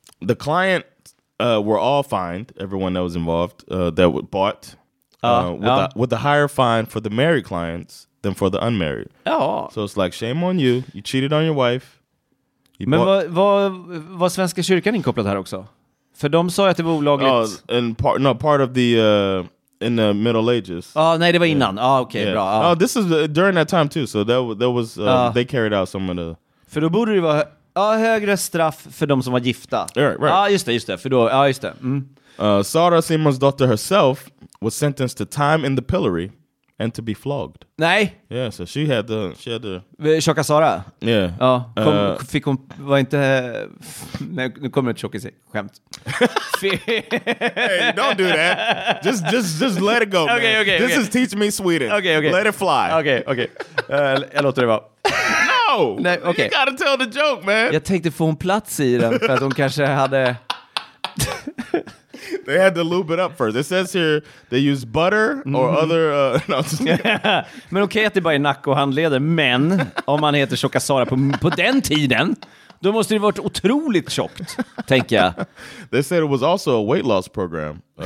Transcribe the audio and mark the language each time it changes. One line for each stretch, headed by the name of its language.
English: The client were all fined, everyone that was involved, that were bought with a higher fine for the married clients than for the unmarried. Oh. So it's like shame on you. You cheated on your wife.
Swedish: You Men vad Svenska kyrkan inkopplat här också? För de sa att det var olagligt.
English: Part of the in the Middle Ages.
Swedish: Nej, det var innan. Bra.
English: This is during that time too. So that was they carried out some of the.
Swedish: För då borde det vara högre straff för de som var gifta.
English: Right.
Swedish: Just det. För då just det. Mm.
English: Sara Simons daughter herself was sentenced to time in the pillory and to be flogged.
Swedish: Nej.
English: Yeah, so she had the.
Swedish: Tjocka Sara.
English: Yeah.
Swedish: Ja, fick hon var inte nej, nu kommer ett tjockis skämt.
English: Hey, don't do that. Just let it go. Okay, man. Okay. This okay. is teach me Sweden. Okay, okay. Let it fly.
Swedish: Okay, okay. Jag låter det vara.
English: No.
Swedish: Nej, okay.
English: You gotta tell the joke, man.
Swedish: Jag tänkte få en plats i den för att hon kanske hade
English: They had to lube it up first. It says here they use butter or other...
Swedish: Men okej att det bara är nack och handleder. Men om man heter Tjocka Sara på den tiden, då måste det varit otroligt tjockt, tänker jag.
English: They said it was also a weight loss program.